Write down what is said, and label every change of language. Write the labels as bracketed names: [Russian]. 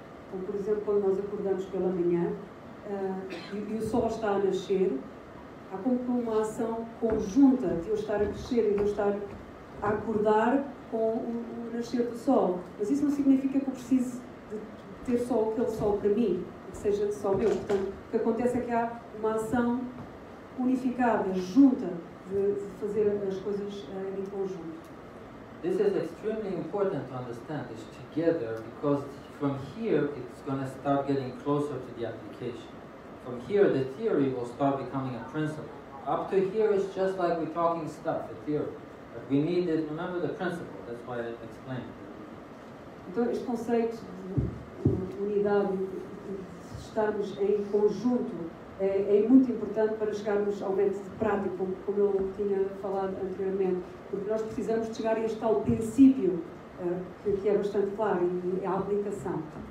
[Portuguese] Como, por exemplo, quando nós acordamos pela manhã, e o sol está a nascer, há como que uma ação conjunta de eu estar a crescer e de eu estar a acordar com o nascer do sol. Mas isso não significa que eu precise de ter só aquele sol para mim, que seja só meu. Portanto, o que acontece é que há uma ação unificada, junta, de fazer as coisas em conjunto. [English] This is extremely important to understand this together, because from here it's going to start getting closer to the application. from here the theory will start becoming a principle. Up to here it's just like we're talking stuff, a theory. But we need to remember the principle, that's why I explained. [Portuguese] Então, este conceito de unidade, de estarmos em conjunto, é muito importante para chegarmos ao método prático, como eu tinha falado anteriormente. Porque nós precisamos de chegar a este tal princípio, que é bastante claro, e é a aplicação.